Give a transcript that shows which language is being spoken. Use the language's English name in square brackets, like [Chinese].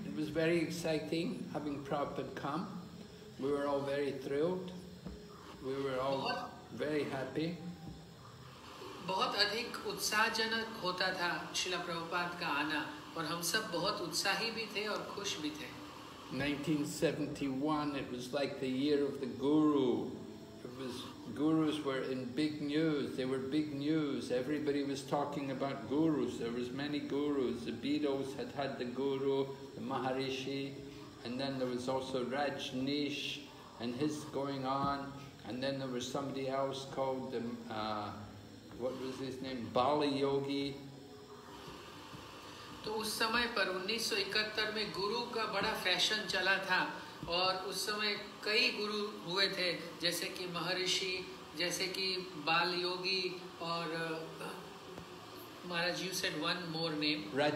[English] It was very exciting having Prabhupada come. We were all very thrilled. We were all very happy. [Hindi] बहुत अधिक उत्साहजनक होता था श्रील प्रभुपाद का आना, और हम सब बहुत उत्साही भी थे और खुश भी थे। [English] 1971, it was like the year of the guru. Gurus were in big news. They were big news. Everybody was talking about gurus. There was many gurus. The Beatles had the guru, the Maharishi, and then there was also Rajneesh and his going on, and then there was somebody else called the what was his name? Bali Yogi. [Hindi] तो उस समय पर 1971 में गुरु का बड़ा fashion चला था, और उस समय कई गुरु हुए थे, जैसे कि महर्षि, जैसे कि बाल योगी, और महाराज, [English] you said one more name,